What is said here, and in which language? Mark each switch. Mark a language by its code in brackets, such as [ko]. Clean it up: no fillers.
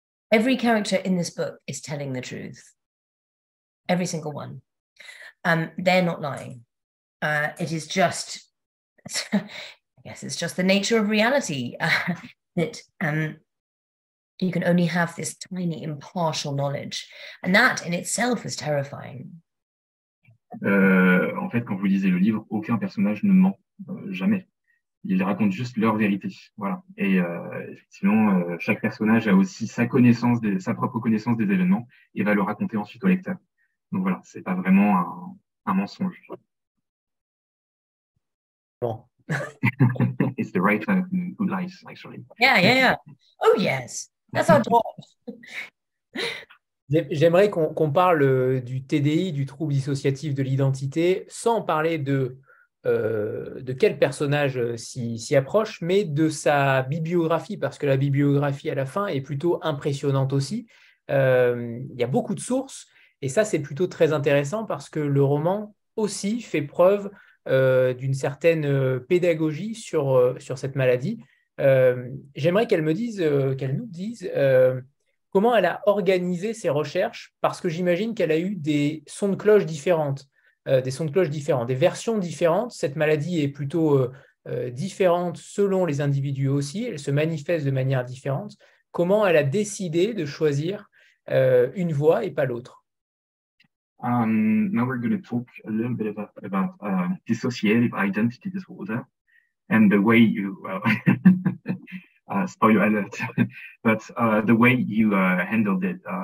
[en] Every character in this book is telling the truth. Every single one. They're not lying. It is just, I guess it's just the nature of reality that You can only have this tiny, impartial knowledge. And that in itself is terrifying. [fr] En fait, quand vous lisez le livre, aucun personnage ne ment, jamais. Ils racontent juste leur vérité. Voilà. Et effectivement, chaque personnage a aussi sa connaissance, sa propre connaissance des événements et va le raconter ensuite au lecteur. Donc voilà, c'est pas vraiment un mensonge. Bon. [en] It's the right kind of good lies, actually. Yeah. Oh yes, that's our job. [fr] J'aimerais qu'on parle du TDI, du trouble dissociatif de l'identité, sans parler de quel personnage s'y approche, mais de sa bibliographie, parce que la bibliographie à la fin est plutôt impressionnante aussi. Il y a beaucoup de sources, et ça, c'est plutôt très intéressant, parce que le roman aussi fait preuve d'une certaine pédagogie sur cette maladie. J'aimerais qu'elle nous dise comment elle a organisé ses recherches, parce que j'imagine qu'elle a eu des sons de cloche différents, des versions différentes. Cette maladie est plutôt différente selon les individus aussi, elle se manifeste de manière différente. Comment elle a décidé de choisir une voie et pas l'autre? [en] Now we're going to talk a little bit about dissociative identity disorder and the way you, spoiler alert, but the way you handled it